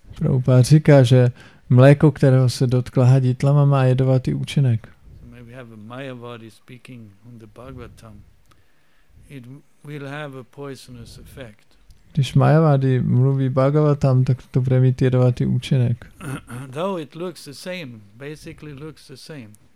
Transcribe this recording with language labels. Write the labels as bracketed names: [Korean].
[Czech] Prabhupada říká, že mléko, kterého se dotkla hadí tlama, má jedovatý účinek. [English] Maybe have a Mayavadi speaking on the Bhagavatam. It will have a poisonous effect. [Czech] Když Mayavadi mluví Bhagavatam, tak to bude mít jedovatý účinek. [English] Though it looks the same, basically looks the same.